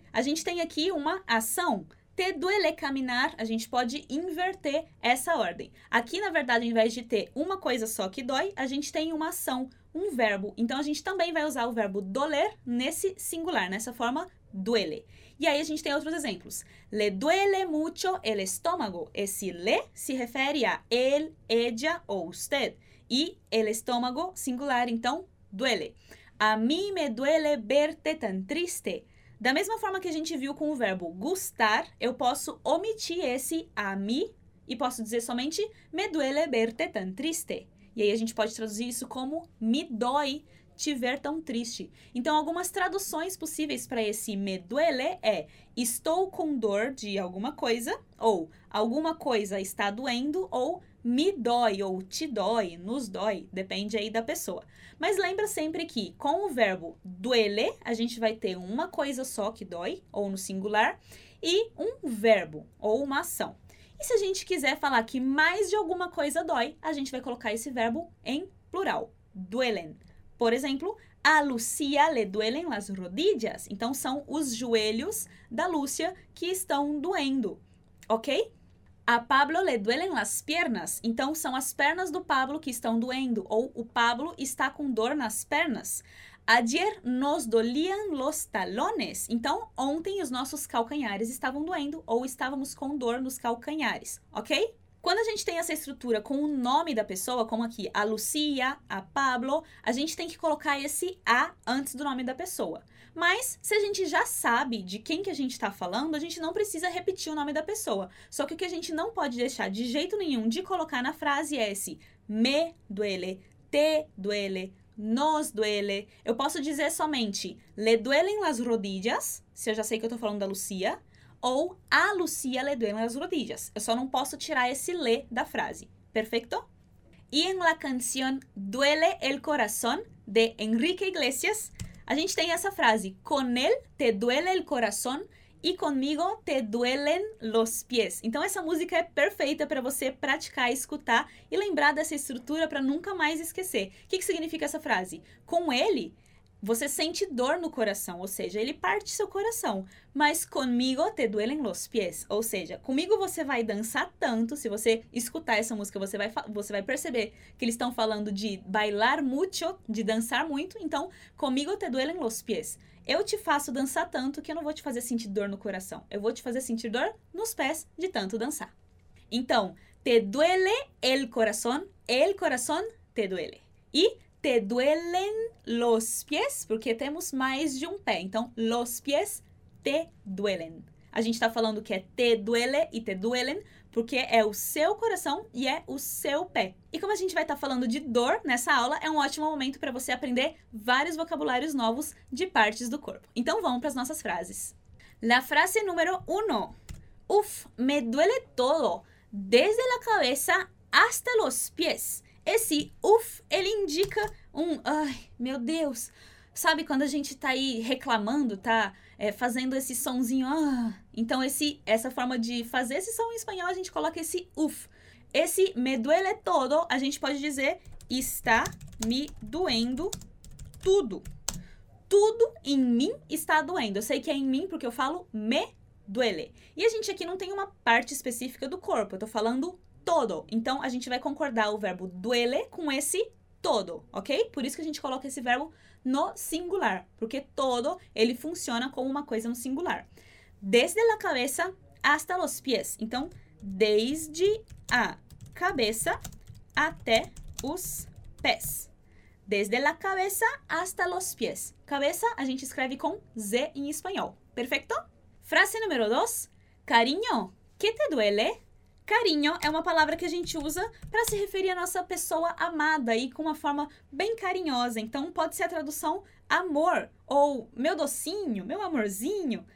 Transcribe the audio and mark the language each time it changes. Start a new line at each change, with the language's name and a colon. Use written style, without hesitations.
Portuguese: A gente tem aqui uma ação.
Spanish: Te duele caminar.
Portuguese: A gente pode inverter essa ordem. Aqui, na verdade, ao invés de ter uma coisa só que dói, a gente tem uma ação, um verbo. Então, a gente também vai usar o verbo doler nesse singular, nessa forma duele. E aí a gente tem outros exemplos.
Spanish: Le duele mucho el estómago.
Portuguese: Esse le se refere a él, ella ou usted. E el estómago, singular, então, duele.
Spanish: A mí me duele verte tan triste.
Portuguese: Da mesma forma que a gente viu com o verbo gustar, eu posso omitir esse a mí e posso dizer somente
Spanish: me duele verte tan triste.
Portuguese: E aí a gente pode traduzir isso como me dói te ver tão triste. Então, algumas traduções possíveis para esse me duele é estou com dor de alguma coisa, ou alguma coisa está doendo, ou me dói, ou te dói, nos dói, depende aí da pessoa. Mas lembra sempre que com o verbo duele, a gente vai ter uma coisa só que dói, ou no singular, e um verbo, ou uma ação. E se a gente quiser falar que mais de alguma coisa dói, a gente vai colocar esse verbo em plural, duelen. Por exemplo,
Spanish: a Lucía le duelen las rodillas.
Portuguese: Então, são os joelhos da Lúcia que estão doendo, ok?
Spanish: A Pablo le duelen las piernas.
Portuguese: Então, são as pernas do Pablo que estão doendo. Ou o Pablo está com dor nas pernas.
Spanish: Ayer nos dolían los talones.
Portuguese: Então, ontem os nossos calcanhares estavam doendo ou estávamos com dor nos calcanhares, ok? Quando a gente tem essa estrutura com o nome da pessoa, como aqui, a Lucía, a Pablo, a gente tem que colocar esse A antes do nome da pessoa. Mas, se a gente já sabe de quem que a gente está falando, a gente não precisa repetir o nome da pessoa. Só que o que a gente não pode deixar de jeito nenhum de colocar na frase é esse
Spanish: me duele, te duele, nos duele.
Portuguese: Eu posso dizer somente
Spanish: le duelen las rodillas,
Portuguese: se eu já sei que eu estou falando da Lucía, ou
Spanish: a Lucía le duelen las rodillas.
Portuguese: Eu só não posso tirar esse le da frase. Perfeito? E em la canción Duele el corazón, de Enrique Iglesias, a gente tem essa frase.
Spanish: Con él te duele el corazón y conmigo te duelen los pies.
Portuguese: Então, essa música é perfeita para você praticar, escutar e lembrar dessa estrutura para nunca mais esquecer. O que, que significa essa frase? Com ele, você sente dor no coração, ou seja, ele parte seu coração.
Spanish: Mas conmigo te duelen los pies.
Portuguese: Ou seja, comigo você vai dançar tanto. Se você escutar essa música, você vai perceber que eles estão falando de
Spanish: bailar mucho,
Portuguese: de dançar muito. Então,
Spanish: conmigo te duelen los pies.
Portuguese: Eu te faço dançar tanto que eu não vou te fazer sentir dor no coração. Eu vou te fazer sentir dor nos pés de tanto dançar.
Spanish: Então, te duele el corazón te duele.
Portuguese: E
Spanish: te duelen los pies,
Portuguese: porque temos mais de um pé.
Spanish: Então, los pies te duelen.
Portuguese: A gente está falando que é te duele e te duelen, porque é o seu coração e é o seu pé. E como a gente vai estar falando de dor nessa aula, é um ótimo momento para você aprender vários vocabulários novos de partes do corpo. Então, vamos para as nossas frases.
Spanish: La frase número 1. Uf, me duele todo, desde la cabeza hasta los pies.
Portuguese: Esse uf, ele indica um, ai, meu Deus. Sabe quando a gente tá aí reclamando, tá fazendo esse sonzinho. Ah. Então, essa forma de fazer esse som em espanhol, a gente coloca esse uf. Esse
Spanish: me duele todo,
Portuguese: a gente pode dizer está me doendo tudo. Tudo em mim está doendo. Eu sei que é em mim porque eu falo me duele. E a gente aqui não tem uma parte específica do corpo, eu tô falando todo. Então, a gente vai concordar o verbo duele com esse todo, ok? Por isso que a gente coloca esse verbo no singular, porque todo, ele funciona como uma coisa no singular.
Spanish: Desde la cabeza hasta los pies.
Portuguese: Então, desde a cabeça até os pés.
Spanish: Desde la cabeza hasta los pies.
Portuguese: Cabeça, a gente escreve com Z em espanhol. Perfeito?
Spanish: Frase número 2. Cariño, ¿qué te duele?
Portuguese: Carinho é uma palavra que a gente usa para se referir à nossa pessoa amada e com uma forma bem carinhosa. Então, pode ser a tradução amor ou meu docinho, meu amorzinho.